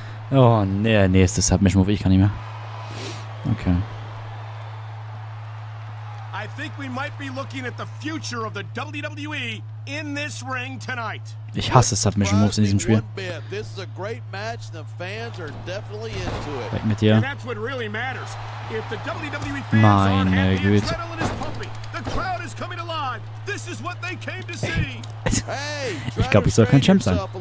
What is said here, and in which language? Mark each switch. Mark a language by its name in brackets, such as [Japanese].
[German] Oh, nee, nee, ist das Submission-Move, ich kann nicht mehr. Okay. [English] I think we might be looking at the future of the WWE in this ring tonight. [German] Ich hasse Submission Moves in diesem Spiel. [English] This is a great match. The fans are definitely into it. [German] Weg mit dir. [English] That's what really matters. If the WWE fans are happy, the adrenaline is pumping. The crowd is coming alive. This is what they came to see. [German] Hey, ich glaube, ich soll kein Champ sein.